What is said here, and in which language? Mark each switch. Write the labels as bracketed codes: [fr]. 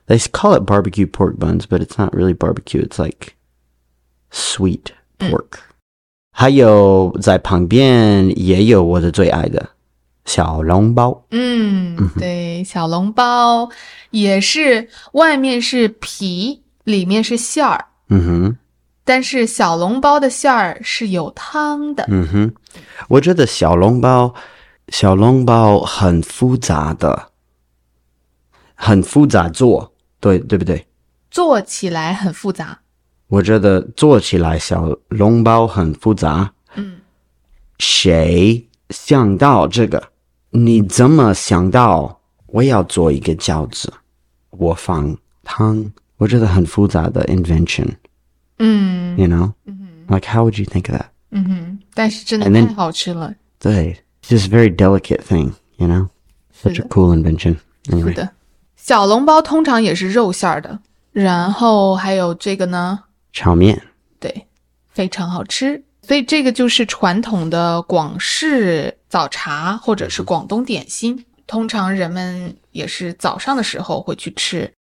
[en] They call it barbecue pork buns, but it's not really barbecue. It's like sweet pork. [zh] 还有在旁边也有我的最爱的小笼包。对，小笼包也是外面是皮，里面是馅儿，但是小笼包的馅儿是有汤的。我觉得小笼包很复杂的，很复杂做，对不对？做起来很复杂。我觉得做起来小笼包很复杂，谁想到这个，你怎么想到我要做一个饺子？我放汤，我觉得很复杂的 invention. Mm-hmm. [en] You know? Like, how would you think of that? [zh] Mm-hmm. 但是真的太好吃了。对， [en] it's just a very delicate thing, you know? Such a cool invention. Anyway. [zh] 是的。小笼包通常也是肉馅儿的。然后还有这个呢？炒面。对，非常好吃。所以这个就是传统的广式早茶或者是广东点心，通常人们也是早上的时候会去吃。